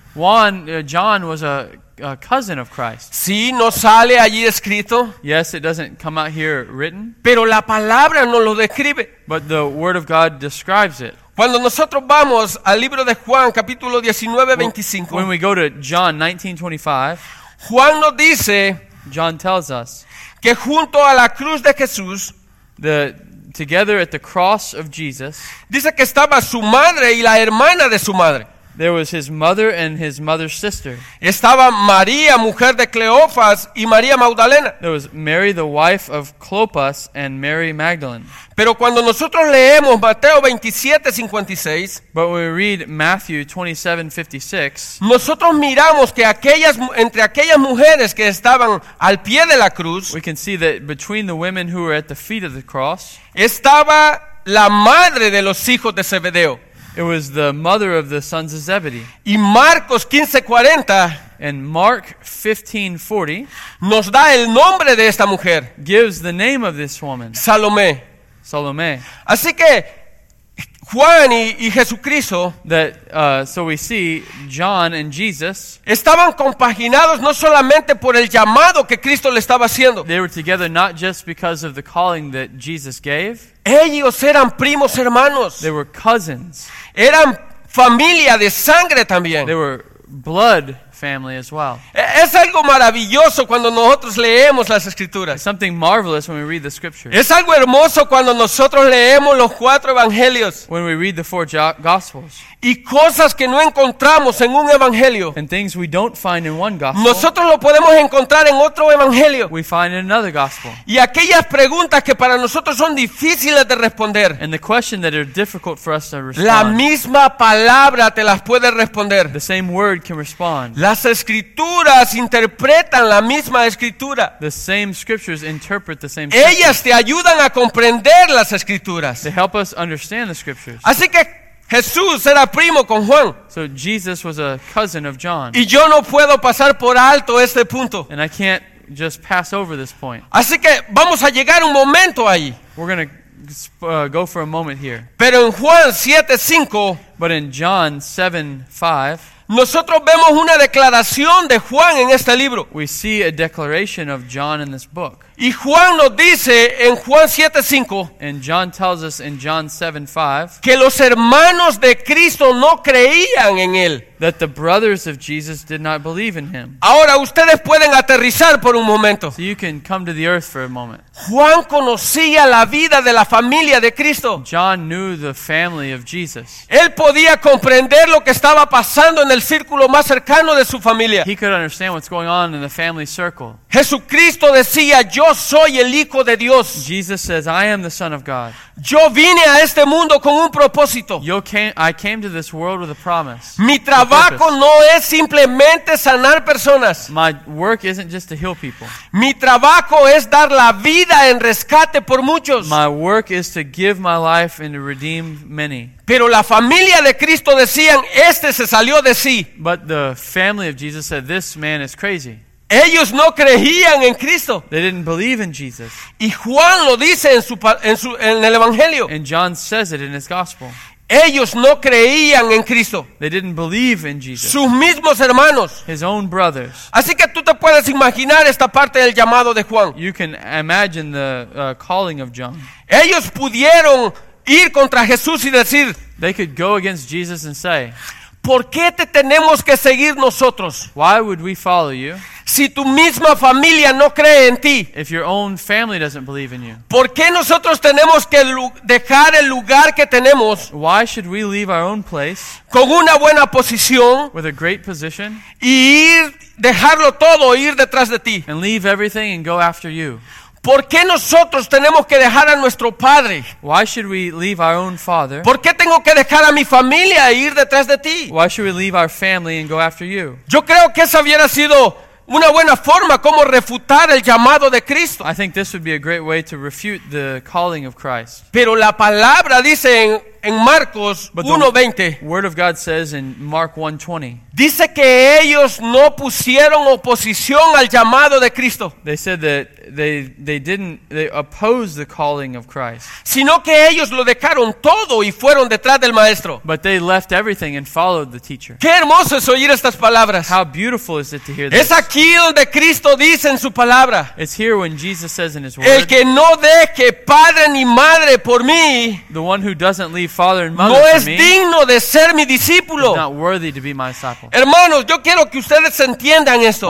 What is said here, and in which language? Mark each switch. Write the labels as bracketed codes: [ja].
[en] John was a cousin of Christ. [es] Sí, no sale allí escrito. [en] Yes, it doesn't come out here written. [es] Pero la palabra no lo describe. [en] But the word of God describes it. [es] Cuando nosotros vamos al libro de Juan, capítulo 19:25. [en] When we go to John 19:25, [es] Juan nos dice, [en] John tells us, [es] que junto a la cruz de Jesús, [en] together at the cross of Jesus, [es] dice que estaba su madre y la hermana de su madre. [en] There was his mother and his mother's sister. [es] Estaba María, mujer de Cleofas, y María Magdalena. [en] There was Mary, the wife of Clopas, and Mary Magdalene. [es] Pero cuando nosotros leemos Mateo 27:56, [en] but when we read Matthew 27:56, [es] nosotros miramos que entre aquellas mujeres que estaban al pie de la cruz, [en] we can see that between the women who were at the feet of the cross, [es] estaba la madre de los hijos de Zebedeo. [en] It was the mother of the sons of Zebedee. [es] Y Marcos 15:40, [en] and Mark 15:40, [es] nos da el nombre de esta mujer. [en] Gives the name of this woman. [es] Salomé. [en] Salomé. [es] Así que Juan y Jesucristo, [en] so we see John and Jesus, [es] estaban compaginados no solamente por el llamado que Cristo le estaba haciendo. [en] They were together not just because of the calling that Jesus gave. [es] Ellos eran primos hermanos. [en] They were cousins. [es] Eran familia de sangre también. [en] They were blood family as well. [es] Es algo maravilloso cuando nosotros leemos las escrituras. [en] It's something marvelous when we read the scriptures. [es] Es algo hermoso cuando nosotros leemos los cuatro evangelios. [en] When we read the four gospels. [es] Y cosas que no encontramos en un evangelio. [en] And things we don't find in one gospel. [es] Nosotros lo podemos encontrar en otro evangelio. [en] We find in another gospel. [es] Y aquellas preguntas que para nosotros son difíciles de responder. [en] And the question that are difficult for us to respond. [es] La misma palabra te las puede responder. [en] The same word can respond. [es] Las escrituras interpretan la misma escritura. [en] The same scriptures interpret the same. [es] Ellas te ayudan a comprender las escrituras. [en] They help us understand the scriptures. [es] Así que Jesús era primo con Juan. [en] So Jesus was a cousin of John. [es] Y yo no puedo pasar por alto este punto. [en] And I can't just pass over this point. [es] Así que vamos a llegar un momento ahí. [en] We're gonna go for a moment here. [es] Pero en Juan 7:5, [en] but in John 7:5, [es] nosotros vemos una declaración de Juan en este libro. [en] We see a declaration of John in this book. [es] Y Juan nos dice en Juan 7:5, [en] and John tells us in John 7:5, [es] que los hermanos de Cristo no creían en él. [en] That the brothers of Jesus did not believe in him. [es] Ahora ustedes pueden aterrizar por un momento. [en] So you can come to the earth for a moment. [es] Juan conocía la vida de la familia de Cristo. [en] John knew the family of Jesus. [es] Él podía comprender lo que estaba pasando en el círculo más cercano de su familia. [en] He could understand what's going on in the family circle. [es] Jesucristo decía, yo soy el Hijo de Dios. [en] Jesus says, I am the Son of God. [es] Yo vine a este mundo con un propósito. [en] I came to this world with a promise. [es] Mi trabajo no es simplemente sanar personas. [en] My work isn't just to heal people. [es] Mi trabajo es dar la vida en rescate por muchos. [en] My work is to give my life and to redeem many. [es] Pero la familia de Cristo decían, este se salió de sí. [en] But the family of Jesus said, this man is crazy. [es] Ellos no creían en Cristo. [en] They didn't believe in Jesus. [es] Y Juan lo dice en el evangelio. [en] And John says it in his gospel. [es] Ellos no creían en Cristo. [en] They didn't believe in Jesus. [es] Sus mismos hermanos. [en] His own brothers. [es] Así que tú te puedes imaginar esta parte del llamado de Juan. [en] You can imagine the calling of John. [es] Ellos pudieron ir contra Jesús y decir, [en] they could go against Jesus and say, [es] ¿por qué te tenemos que seguir nosotros? [en] Why would we follow you? [es] Si tu misma familia no cree en ti. [en] If your own family doesn't believe in you. [es] ¿Por qué nosotros tenemos que dejar el lugar que tenemos? [en] Why should we leave our own place? [es] Con una buena posición. [en] With a great position. [es] Y ir, dejarlo todo, ir detrás de ti. [en] And leave everything and go after you. [es] ¿Por qué nosotros tenemos que dejar a nuestro padre? [en] Why should we leave our own father? [es] ¿Por qué tengo que dejar a mi familia e ir detrás de ti? [en] Why should we leave our family and go after you? [es] Yo creo que esa hubiera sido una buena forma como refutar el llamado de Cristo. [en] I think this would be a great way to refute the calling of Christ. [es] Pero la palabra dice en Marcos 1:20. [en] Word of God says in Mark 1:20. [es] Dice que ellos no pusieron oposición al llamado de Cristo. [en] They said that they opposed the calling of Christ. [es] Sino que ellos lo dejaron todo y fueron detrás del maestro. [en] But they left everything and followed the teacher. [es] Qué hermoso es oír estas palabras. [en] How beautiful is it to hear this? [es] Es aquí donde Cristo dice en su palabra. [en] It's here when Jesus says in his word. [es] El que no deje padre ni madre por mí. [en] The one who doesn't leave father and mother no for me. [es] No es digno de ser mi discípulo. [en] Not worthy to be my disciple. [es] Hermanos, yo quiero que ustedes entiendan esto.